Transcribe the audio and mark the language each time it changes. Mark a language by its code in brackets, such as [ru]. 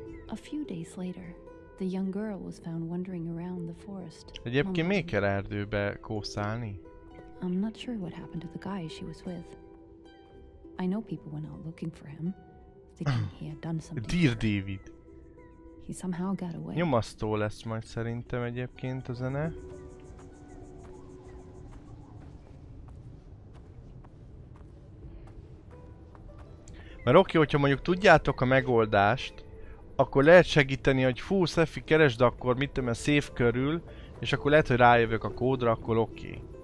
[en] A few days later, the young girl was found wandering around the forest. [hu] Egyébként miért kell erdőbe kószálni? [en] I'm not sure what happened to the guy she was with. I know people went out looking for him, thinking he had done something. Dear David. He somehow got away. [hu] Nyomasztó lesz majd szerintem egyébként a zene. Mert oké, hogyha mondjuk tudjátok a megoldást, akkor lehet segíteni, hogy fú, Szefi, keresd akkor, mit tudom, a szép körül, és akkor lehet, hogy rájövök a kódra, akkor oké.